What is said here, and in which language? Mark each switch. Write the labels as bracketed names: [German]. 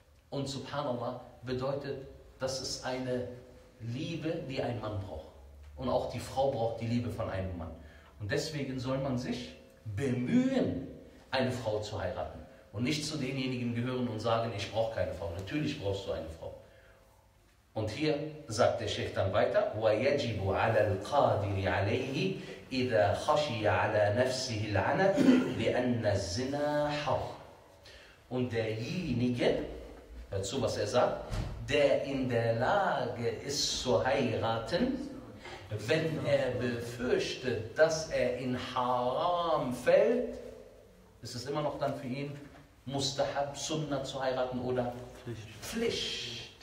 [German] Und subhanallah bedeutet, das ist eine Liebe, die ein Mann braucht. Und auch die Frau braucht die Liebe von einem Mann. Und deswegen soll man sich bemühen, eine Frau zu heiraten. Und nicht zu denjenigen gehören und sagen, ich brauche keine Frau. Natürlich brauchst du eine Frau. Und hier sagt der Sheikh dann weiter, [Arabic] وَيَجِبُ عَلَى الْقَادِرِ عَلَيْهِ إِذَا خَشِيَ عَلَى نَفْسِهِ الْعَنَةِ لِأَنَّ الزِّنَا حَرْ. [German] Und derjenige, hört zu, was er sagt, der in der Lage ist zu heiraten, wenn er befürchtet, dass er in Haram fällt, ist es immer noch dann für ihn Mustahab, Sunnah zu heiraten oder Pflicht.